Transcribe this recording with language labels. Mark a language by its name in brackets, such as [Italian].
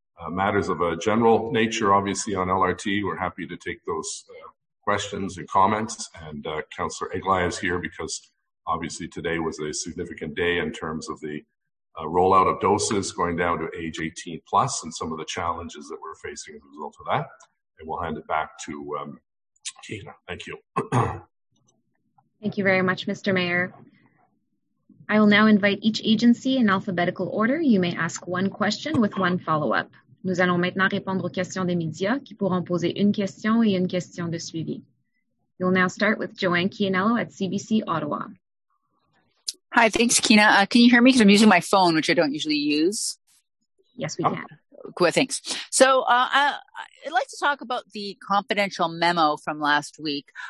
[English] Matters of a general nature, obviously, on LRT, we're happy to take those questions and comments, and Councillor Eglai is here because obviously today was a significant day in terms of the rollout of doses going down to age 18 plus and some of the challenges that we're facing as a result of that. And we'll hand it back to Keena. Thank you. Thank you very much, Mr. Mayor. I will now invite each agency in alphabetical order. You may ask one question with one follow-up. [French] Nous allons maintenant répondre aux questions des médias qui pourront poser une question et une question de suivi. [English] We'll now start with Joanne Chianello at CBC Ottawa. Hi, thanks, Keena. Can you hear me? Because I'm using my phone, which I don't usually use. Yes, we can. Cool, thanks. So I'd like to talk about the confidential memo from last week.